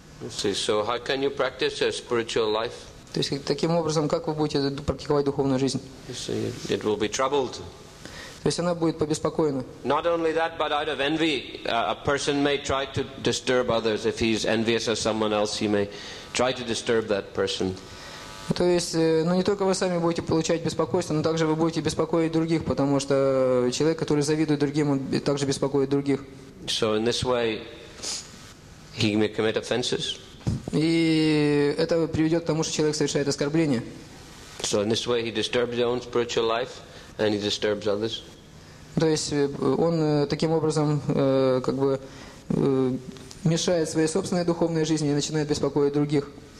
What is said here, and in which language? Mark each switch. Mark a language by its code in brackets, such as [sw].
[en] See, so how can you practice a spiritual life? [ru] То есть таким образом, как вы будете практиковать духовную жизнь? [en] You see, it will be troubled. [ru] То есть она будет побеспокоена. [en] Not only that, but out of envy, a person may try to disturb others. If he's envious of someone else, he may try to disturb that person. [ru] То есть, ну не только вы сами будете получать беспокойство, но также вы будете беспокоить других, потому что человек, который завидует другим, он также беспокоит других. [en] So in this way, he may commit offenses. [ru] И это приведет к тому, что человек совершает оскорбление. [en] So in this way, he disturbs his own spiritual life. And he disturbs others. [ru] То есть он таким образом как бы мешает своей собственной духовной жизни и начинает беспокоить других.